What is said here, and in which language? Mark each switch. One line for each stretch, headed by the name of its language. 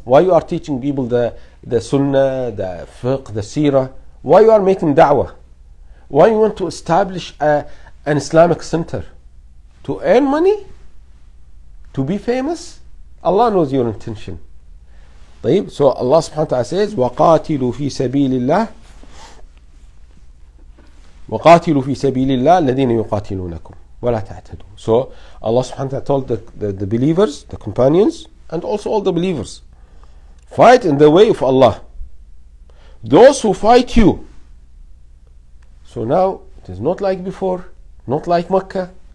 English: Why you are teaching people the Sunnah, the Fiqh, the Seerah? Why you are making da'wah? Why you want to establish an Islamic center? To earn money? To be famous? Allah knows your intention.
Arabic: طيب.
English: So Allah subhanahu wa ta'ala says,
Arabic: وَقَاتِلُوا فِي سَبِيلِ اللَّهِ وَقَاتِلُوا فِي سَبِيلِ اللَّهِ الَّذِينَ يُقَاتِلُونَكُمْ وَلَا تَعْتَدُوا.
English: So Allah subhanahu wa ta'ala told the believers, the companions, and also all the believers, fight in the way of Allah. Those who fight you. So now it is not like before, not like Mecca.